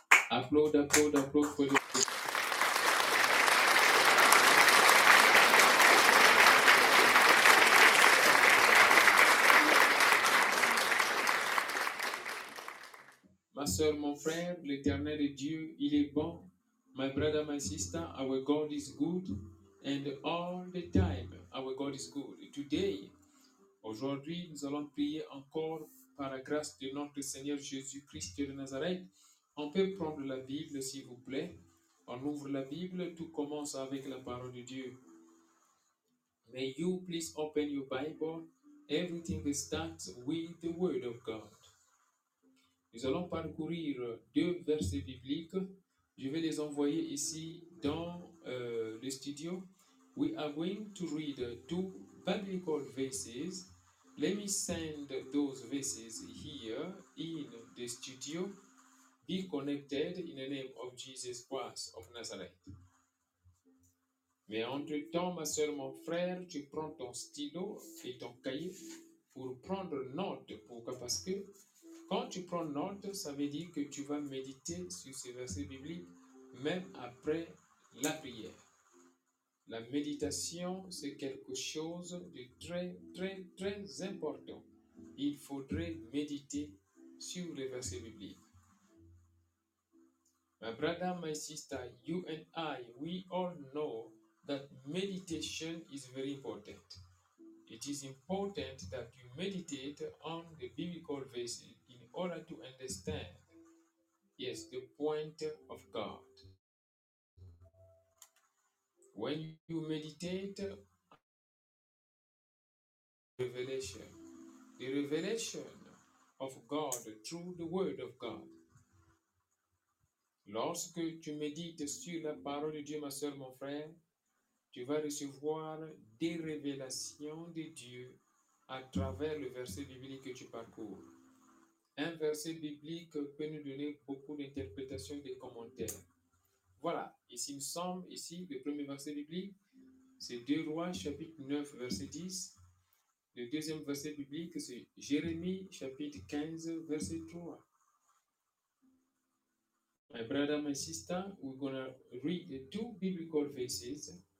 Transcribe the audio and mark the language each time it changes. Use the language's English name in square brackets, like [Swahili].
[French] Applaud pour le Seigneur. Ma soeur, mon frère, l'Éternel est Dieu, il est bon. [English] My brother, my sister, our God is good. And all the time, our God is good. Today, [French] aujourd'hui, nous allons prier encore par la grâce de notre Seigneur Jésus-Christ de Nazareth. On peut prendre la Bible, s'il vous plaît. On ouvre la Bible. Tout commence avec la parole de Dieu. [English] May you please open your Bible. Everything starts with the Word of God. [French] Nous allons parcourir deux versets bibliques. Je vais les envoyer ici dans le studio. [English] We are going to read two biblical verses. Let me send those verses here in the studio. Be connected in the name of Jesus Christ of Nazareth. [French] Mais entre-temps, ma soeur, mon frère, tu prends ton stylo et ton cahier pour prendre note. Pourquoi? Parce que quand tu prends note, ça veut dire que tu vas méditer sur ces versets bibliques même après la prière. La méditation, c'est quelque chose de très, très, très important. Il faudrait méditer sur les versets bibliques. [English] My brother, my sister, you and I, we all know that meditation is very important. It is important that you meditate on the biblical verses in order to understand, yes, the point of God. When you meditate, revelation, the revelation of God through the Word of God. [French] Lorsque tu médites sur la parole de Dieu, ma sœur, mon frère, tu vas recevoir des révélations de Dieu à travers le verset biblique que tu parcours. Un verset biblique peut nous donner beaucoup d'interprétations et de commentaires. Voilà, ici nous sommes, ici, le premier verset biblique, c'est 2 Rois, chapitre 9, verset 10. Le deuxième verset biblique, c'est Jérémie, chapitre 15, verset 3. [English] My brother, my sister, we're going to read the two biblical verses.